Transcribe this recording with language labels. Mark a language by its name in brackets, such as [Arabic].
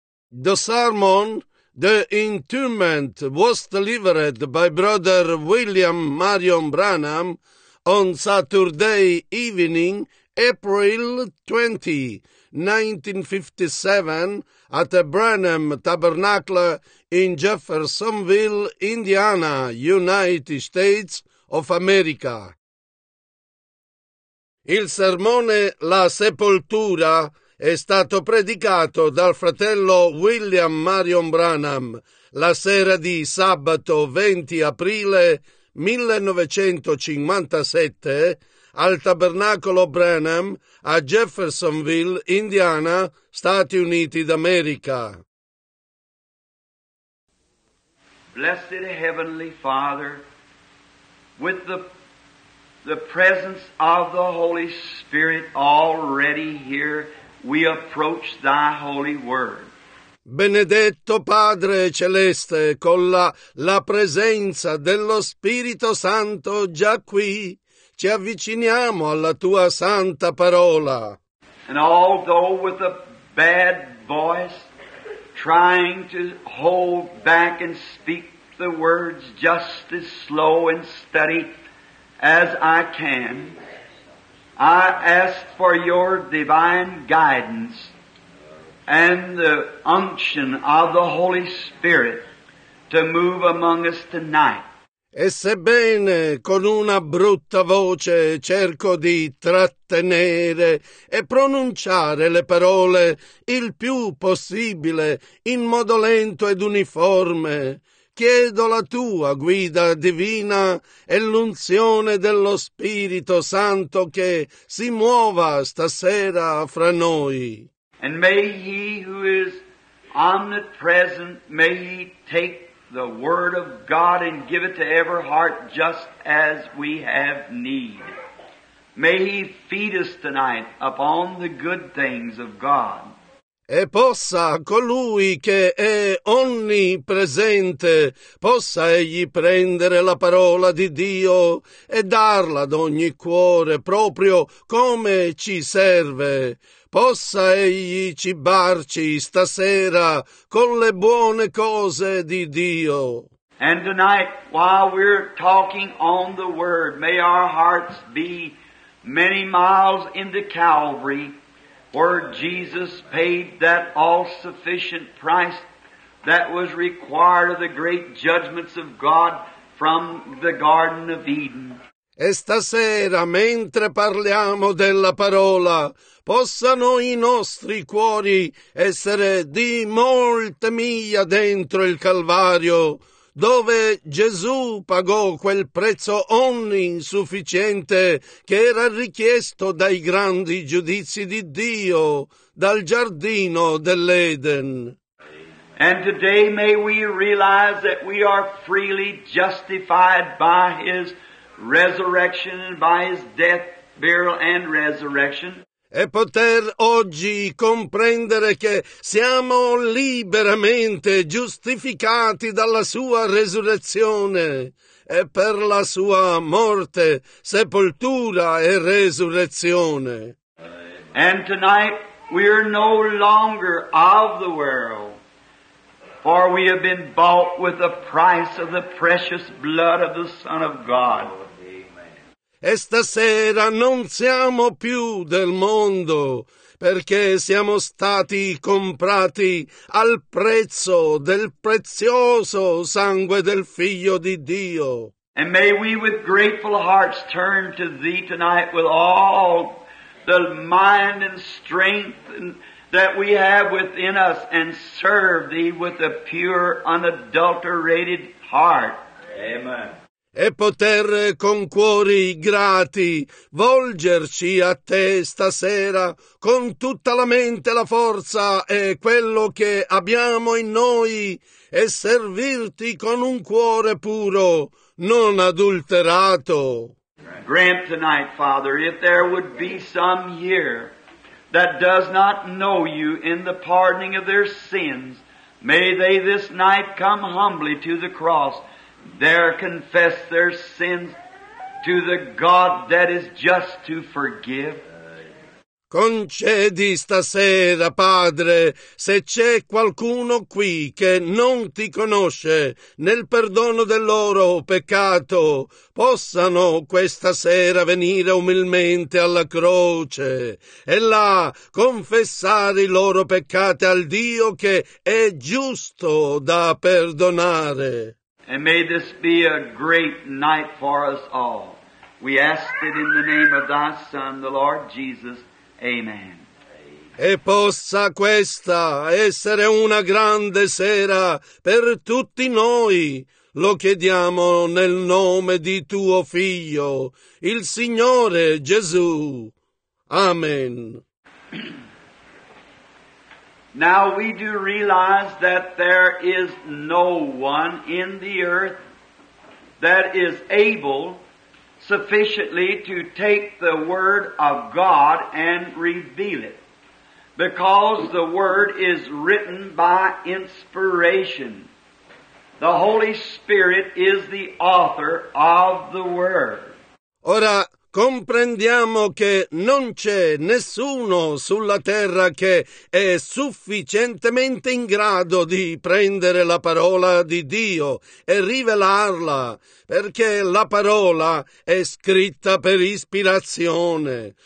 [English] The sermon, The Interment, was delivered by Brother William Marion Branham on Saturday evening, April 20, 1957, at the Branham Tabernacle in Jeffersonville, Indiana, United States of America. [Italian] Il sermone La Sepoltura è stato predicato dal fratello William Marion Branham la sera di sabato 20 aprile 1957 al Tabernacolo Branham a Jeffersonville, Indiana, Stati Uniti d'America. [English] Blessed Heavenly Father, with the presence of the Holy Spirit already here, we approach thy holy word. [Italian] Benedetto Padre Celeste, con la presenza dello Spirito Santo già qui, ci avviciniamo alla tua santa parola. [English] And although with a bad voice, trying to hold back and speak the words just as slow and steady as I can, I ask for your divine guidance and the unction of the Holy Spirit to move among us tonight. [Italian] E sebbene con una brutta voce cerco di trattenere e pronunciare le parole il più possibile in modo lento ed uniforme, chiedo la tua guida divina e l'unzione dello Spirito Santo che si muova stasera fra noi. [English] And may he who is omnipresent, may he take the word of God and give it to every heart just as we have need. May he feed us tonight upon the good things of God. [Italian] E possa colui che è onnipresente, possa egli prendere la parola di Dio e darla ad ogni cuore proprio come ci serve. Possa egli cibarci stasera con le buone cose di Dio. [English] And tonight, while we're talking on the word, may our hearts be many miles into Calvary, where Jesus paid that all-sufficient price that was required of the great judgments of God from the Garden of Eden. [Italian] E stasera, mentre parliamo della parola, possano i nostri cuori essere di molte miglia dentro il Calvario, dove Gesù pagò quel prezzo oninsufficiente che era richiesto dai grandi giudizi di Dio dal giardino dell'Eden. [English] And today may we realize that we are freely justified by his resurrection and by his death, burial and resurrection. [Italian] E poter oggi comprendere che siamo liberamente giustificati dalla sua resurrezione e per la sua morte, sepoltura e resurrezione. [English] And tonight we're no longer of the world, for we have been bought with the price of the precious blood of the Son of God. [Italian] E stasera non siamo più del mondo, perché siamo stati comprati al prezzo del prezioso sangue del Figlio di Dio. [English] And may we with grateful hearts turn to thee tonight with all the mind and strength that we have within us and serve thee with a pure, unadulterated heart. Amen. [Italian] E poter con cuori grati volgerci a te stasera con tutta la mente, la forza e quello che abbiamo in noi e servirti con un cuore puro, non adulterato. [English] Grant tonight, Father, if there would be some here that does not know you in the pardoning of their sins, may they this night come humbly to the cross. There confess their sins to the God that is just to forgive. [Italian] Concedi stasera, Padre, se c'è qualcuno qui che non ti conosce, nel perdono del loro peccato, possano questa sera venire umilmente alla croce e là confessare i loro peccati al Dio che è giusto da perdonare. [English] And may this be a great night for us all. We ask it in the name of thy Son, the Lord Jesus. Amen. [Italian] E possa questa essere una grande sera per tutti noi. Lo chiediamo nel nome di tuo Figlio, il Signore Gesù. Amen. [English] Now we do realize that there is no one in the earth that is able sufficiently to take the Word of God and reveal it, because the Word is written by inspiration. The Holy Spirit is the author of the Word. [Italian] Ora comprendiamo che non c'è nessuno sulla terra che è sufficientemente in grado di prendere la parola di Dio e rivelarla, perché la parola è scritta per ispirazione.